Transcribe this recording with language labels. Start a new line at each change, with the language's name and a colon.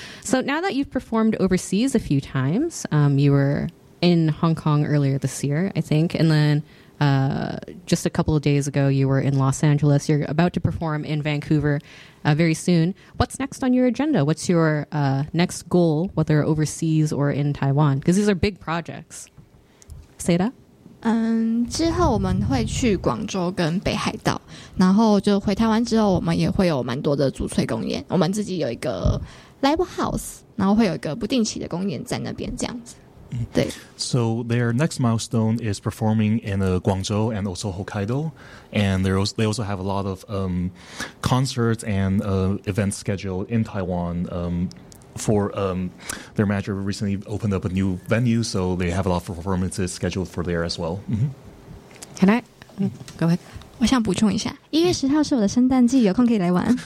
English: So now that you've performed overseas a few times, you were in Hong Kong earlier this year, I think, and then just a couple of days ago, you were in Los Angeles. You're about to perform in Vancouver very soon. What's next on your agenda? What's your next goal, whether overseas or in Taiwan? Because these are big projects. Say that.
Chinese: 之后我们会去广州跟北海道, 然后就回台湾之后我们也会有蛮多的主催公演, 我们自己有一个 live house, 然后会有一个不定期的公演在那边这样子。
English: So their next milestone is performing in Guangzhou and also Hokkaido, and they also have a lot of concerts and events scheduled in Taiwan. Their manager recently opened up a new venue, so they have a lot of performances scheduled for there as well. Can I go ahead?
Chinese: 我想补充一下 1月10号是我的圣诞季 有空可以来玩